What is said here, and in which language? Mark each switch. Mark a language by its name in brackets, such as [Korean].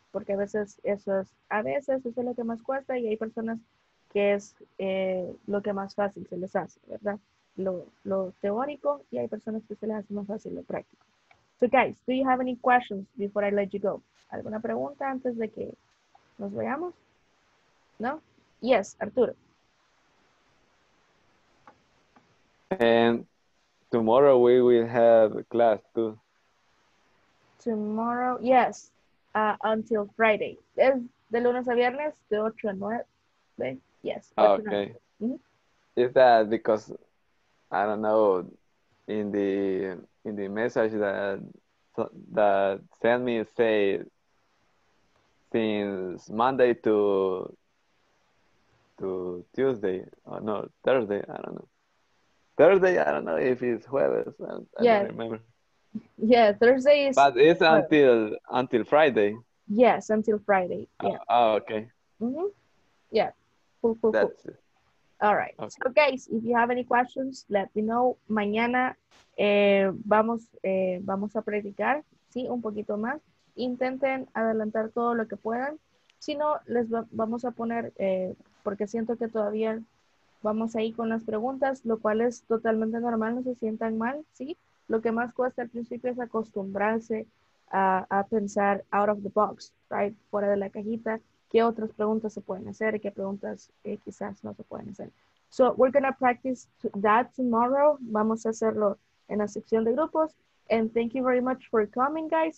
[Spanish] Porque a veces eso es lo que más cuesta y hay personas que es lo que más fácil se les hace, ¿verdad? Lo teórico, y hay personas que se les hace más fácil lo práctico. [English] So guys, do you have any questions before I let you go? [Spanish] ¿Alguna pregunta antes de que nos vayamos? ¿No? [English] Yes, Arturo. And tomorrow we will have class too. Tomorrow, yes. Until Friday. [Spanish] Es de lunes a viernes, de 8 a 9. [English] Yes. Okay. Mm-hmm. Is that because... I don't know, in the message that sent me say since Monday to Tuesday, or no, Thursday, I don't know. Thursday, I don't know if it's jueves, I don't remember. Yeah, Thursday is... But it's until Friday. Yes, until Friday, yeah. Oh, okay. Mm-hmm. Yeah, cool. That's it. All right. Okay. So, guys, if you have any questions, let me know. [Spanish] Mañana vamos a practicar, sí, un poquito más. Intenten adelantar todo lo que puedan. Si no, les vamos a poner, porque siento que todavía vamos ahí con las preguntas, lo cual es totalmente normal, no se sientan mal, sí. Lo que más cuesta al principio es acostumbrarse a pensar [English] out of the box, right, [Spanish] fuera de la cajita. ¿Qué otras preguntas se pueden hacer? ¿Qué preguntas quizás no se pueden hacer? [English] So, we're going to practice that tomorrow. [Spanish] Vamos a hacerlo en la sección de grupos. [English] And thank you very much for coming, guys.